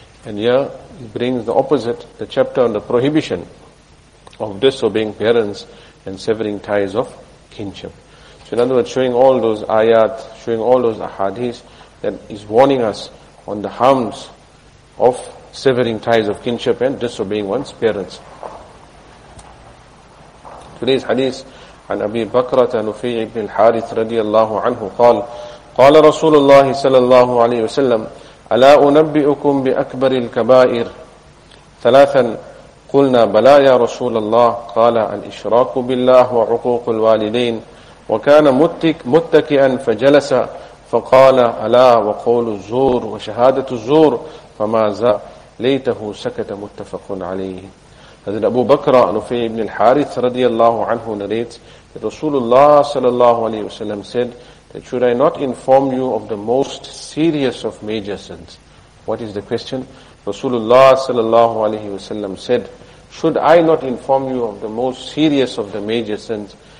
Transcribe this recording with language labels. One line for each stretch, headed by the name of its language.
English: And here he brings the opposite, the chapter on the prohibition of disobeying parents and severing ties of kinship. So in other words, showing all those ayat, showing all those ahadith, that is warning us on the harms of severing ties of kinship and disobeying one's parents. Today's hadith,
Arabic: عن أبي بكرة نفيع بن الحارث رضي الله عنه قال قال رسول الله صلى الله عليه وسلم ألا أنبئكم بأكبر الكبائر ثلاثا قلنا بلى يا رسول الله قال الإشراك بالله وعقوق الوالدين وكان متكئا فجلس فقال ألا وقول الزور وشهادة الزور فما زال ليته سكت متفق عليه.
English: Hazrat Abu Bakr Nufay ibn al-Harith radiyallahu anhu narrates that Rasulullah sallallahu alayhi wa sallam said that should I not inform you of the most serious of major sins? What is the question? Rasulullah sallallahu alayhi wa sallam said, should I not inform you of the most serious of the major sins?